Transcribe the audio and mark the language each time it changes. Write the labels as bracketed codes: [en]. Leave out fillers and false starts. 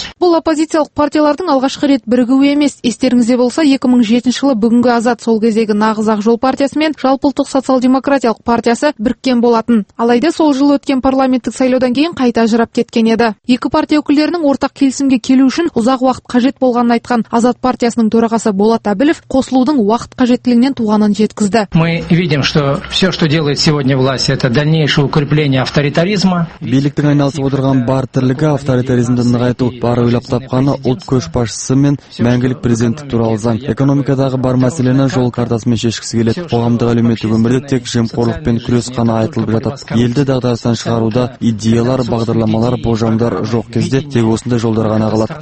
[kk] Бұл оппозициялық партиялардың алғашқы рет бірігуі емес. Естеріңізде болса, 2007 жылы бүгінгі Азат сол кездегі Нағыз Ақ Жол партиясы мен Жалпыұлттық социал-демократиялық партиясы біріккен болатын. Алайда сол жылы өткен парламенттік сайлаудан кейін қайта ажырап кеткен еді. Екі партия өкілдерінің ортақ келісімге келу үшін ұзақ уақыт қажет болғанын айтқан Азат партиясының төрағасы Болат Әбілов қосылудың уақыт қажеттілігінен туғанын жеткізді. [ru] Все, что делает сегодня власть, это дальнейшее укрепление авторитаризма. [kk] Биліктің айналысып отырған бар тірлігі авторитаризмді нығайту, бар ойлап тапқаны ұлт көшбасшысы мен мәңгілік президенттік туралы заң. Экономикадағы бар мәселені жол картасымен шешкісі келеді. Қоғамдық әлеуметтік өмірде тек жемқорлықпен күрес қана айтылып жатады. Елді дағдарыстан шығаруда идеялар, бағдарламалар, болжамдар жоқ кезде тек осындай жолдар ғана қалады.